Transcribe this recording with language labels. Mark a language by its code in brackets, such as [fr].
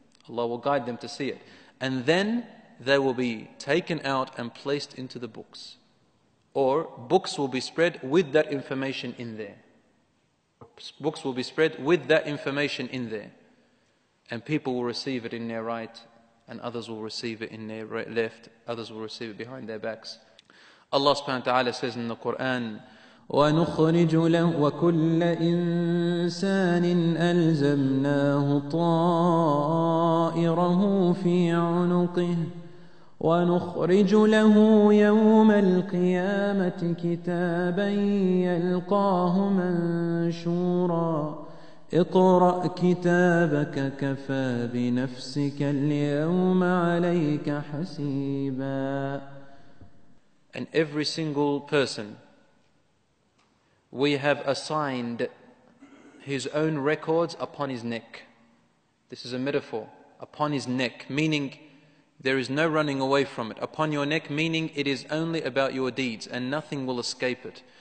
[en] Allah will guide them to see it. And then they will be taken out and placed into the books. Or books will be spread with that information in there. Books will be spread with that information in there. And people will receive it in their right, and others will receive it in their left, others will receive it behind their backs. Allah subhanahu wa ta'ala says in the Quran, [ar] وَنُخْرِجُ لَكُلَّ إِنسَانٍ أَلْزَمْنَاهُ طَائِرَهُ فِي عُنُقِهِ وَنُخْرِجُ لَهُ يَوْمَ الْقِيَامَةِ كِتَابًا يَلْقَاهُ مَنْشُورًا اقْرَأْ كِتَابَكَ كَفَى بِنَفْسِكَ الْيَوْمَ عَلَيْكَ حَسِيبًا. [en] And every single person, we have assigned his own records upon his neck. This is a metaphor, upon his neck, meaning there is no running away from it. Upon your neck, meaning it is only about your deeds and nothing will escape it.